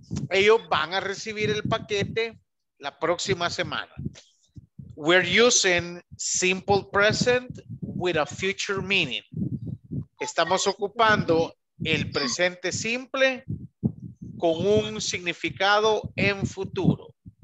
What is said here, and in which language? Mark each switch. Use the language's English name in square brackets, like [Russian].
[Spanish] Ellos van a recibir el paquete la próxima semana. [English] We're using simple present with a future meaning. [Spanish] Estamos ocupando el presente simple con un significado en futuro.